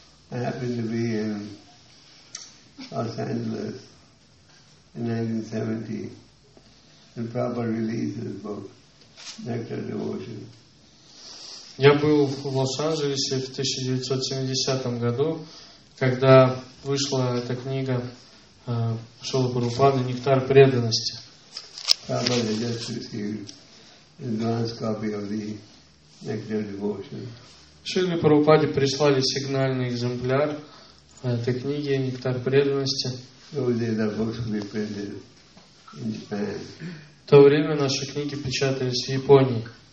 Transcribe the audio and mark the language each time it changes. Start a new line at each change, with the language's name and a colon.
English: I happened to be in Los Angeles in 1970 and Prabhupada released his book, Nectar Devotion.
Russian: Я был в Лос-Анджелесе в 1970 году, когда вышла эта книга Шрилы Прабхупады «Нектар преданности».
English: Prabhupada just received an advanced copy of the Nectar Devotion.
Russian: Шриле Прабхупаде прислали сигнальный экземпляр этой книги «Нектар преданности». В то время наши книги печатались в Японии.